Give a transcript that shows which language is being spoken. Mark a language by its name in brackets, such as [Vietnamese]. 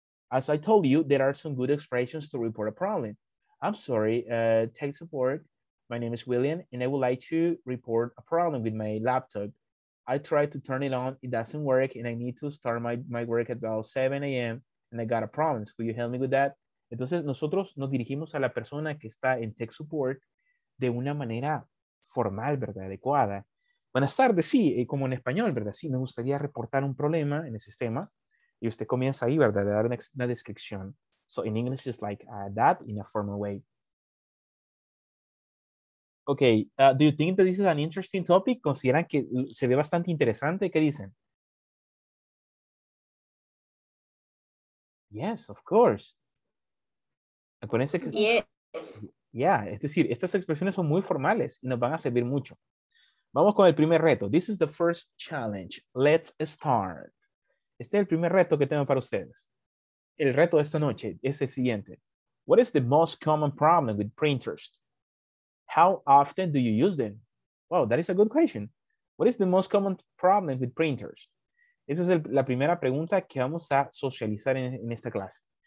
[English] As I told you, there are some good expressions to report a problem. I'm sorry, tech support. My name is William, and I would like to report a problem with my laptop. I tried to turn it on, it doesn't work, and I need to start my work at about 7 a.m., and I got a problem. So could you help me with that? [Spanish] Entonces, nosotros nos dirigimos a la persona que está en tech support de una manera formal, ¿verdad? Adecuada. Buenas tardes, sí, como en español, ¿verdad? Sí, me gustaría reportar un problema en el sistema. Y usted comienza ahí, ¿verdad? De dar una descripción. [English] So in English, it's like that in a formal way. Okay, do you think that this is an interesting topic? [Spanish] ¿Consideran que se ve bastante interesante? ¿Qué dicen? [English] Yes, of course. Acuérdense que... Yes. [Spanish] Yeah, es decir, estas expresiones son muy formales y nos van a servir mucho. Vamos con el primer reto. This is the first challenge. Let's start. Este es el primer reto que tengo para ustedes. El reto de esta noche es el siguiente. [English] What is the most common problem with printers? How often do you use them? Wow, that is a good question. What is the most common problem with printers? [Spanish] Esa es la primera pregunta que vamos a socializar en esta clase.